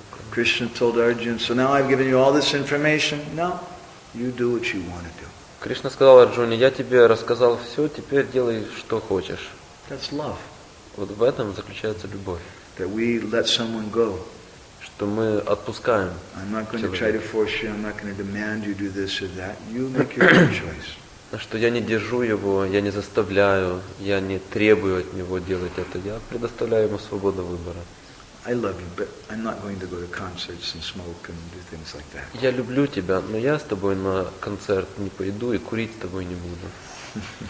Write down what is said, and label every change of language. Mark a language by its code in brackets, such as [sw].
[en] Krishna told Arjuna, so now I've given you all this information. No, you do what you want to do. [ru] Кришна сказал Арджуне, я тебе рассказал все, теперь делай, что хочешь. [en] That's love. [ru] Вот в этом заключается любовь. [en] That we let someone go. [ru] Что мы отпускаем. [en] I'm not going to try to force you, I'm not going to demand you do this or that. You make your own choice. [ru] Что я не держу его, я не заставляю, я не требую от него делать это. Я предоставляю ему свободу выбора. [en] I love you, but I'm not going to go to concerts and smoke and do things like that. [ru] Я люблю тебя, но я с тобой на концерт не пойду и курить с тобой не буду.